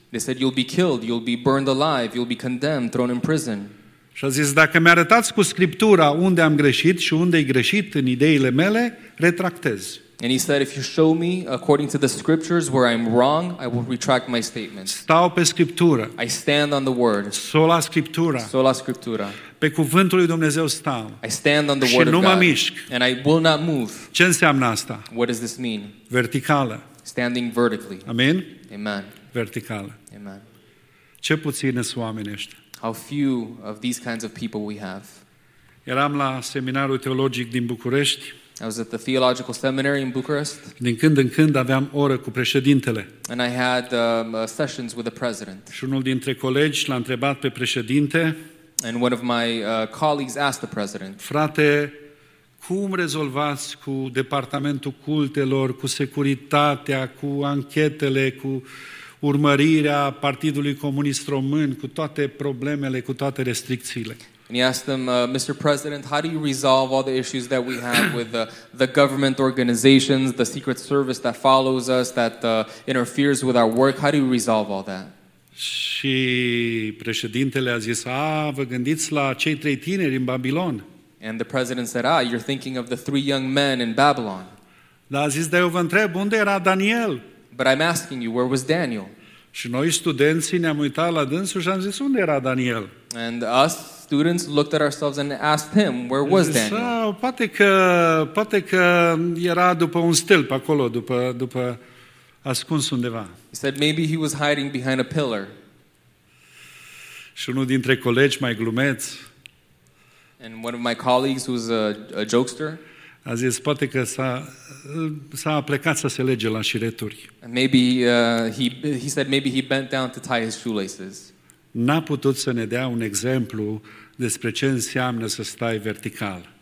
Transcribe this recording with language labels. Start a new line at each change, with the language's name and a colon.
English: They said, you'll be killed, you'll be burned alive, you'll be condemned, thrown in prison.
Romanian: Și a zis, dacă mi-arătați cu Scriptura unde am greșit și unde e greșit în ideile mele, retractez.
English: And he said, if you show me according to the scriptures where I'm wrong, I will retract my statements.
Romanian: Stau pe Scriptură.
English: I stand on the word.
Latin: Sola Scriptura. Sola Scriptura.
Romanian: Pe cuvântul lui Dumnezeu stau.
English: I stand on the word of God.
Romanian: Și nu mă mișc.
English: And I will not move.
Romanian: Ce înseamnă asta?
English: What does this mean?
Romanian: Verticală.
English: Standing vertically.
Romanian: Amen.
English: Amen.
Romanian: Verticală.
English: Amen.
Romanian: Ce puțin sunt oamenii ăștia.
English: How few of these kinds of people we have.
Romanian: Eram la seminarul teologic din București.
English: I was at the theological seminary in Bucharest.
Romanian: Din când în când aveam oră cu președintele.
English: And I had sessions with the president.
Romanian: Și unul dintre colegi l-a întrebat pe președinte.
English: And one of my colleagues asked the president.
Romanian: Frate, cum rezolvați cu departamentul cultelor, cu securitatea, cu anchetele, cu urmărirea Partidului Comunist Român, cu toate problemele, cu toate restricțiile?
English: And he asked them, Mr. President, how do you resolve all the issues that we have with the government organizations, the secret service that follows us, that interferes with our work? How do you resolve all that?
Romanian: Și președintele a zis, vă gândiți la cei trei tineri în Babilon.
English: And the president said, you're thinking of the three young men in Babylon.
Romanian: Dar a zis, eu vă întreb, unde era Daniel?
English: But I'm asking you, where was Daniel?
Romanian: Și noi studenții ne-am uitat la dânsul și am zis, unde era Daniel?
English: And us students looked at ourselves and asked him, where was Daniel?
Romanian: Sau, poate că era după un stâlp acolo, după ascuns undeva.
English: He said, maybe he was hiding behind a pillar.
Romanian: Și unul dintre colegi mai glumeț.
English: And one of my colleagues who's a jokester.
Romanian: A zis, poate că s-a plecat să se lege la șireturi.
English: And maybe he said maybe he bent down to tie his shoelaces.
Romanian: N-a putut să ne dea un exemplu despre ce înseamnă să stai vertical.